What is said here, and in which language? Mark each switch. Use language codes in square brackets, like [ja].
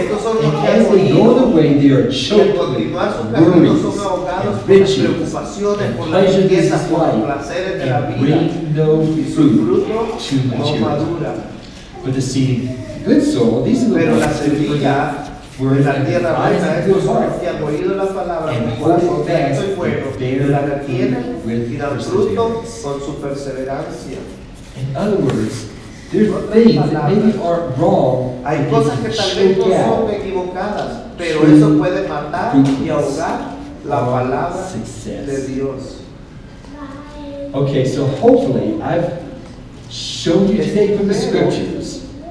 [en] And as they go the way, they are choked with worries and riches and pleasure in this life and bring no fruit to maturity. But the seed, good soil, these are the ones who forget. [es] Where la tierra rica es un hombre que ha oído la palabra con corazón recto y bueno, y la retiene y da fruto con su perseverancia. [en] In other words, there's things that maybe aren't wrong. [es] Hay cosas que tal vez no son equivocadas, pero eso puede matar y ahogar la palabra de Dios. [en] Okay, so hopefully I've shown you today from the scriptures.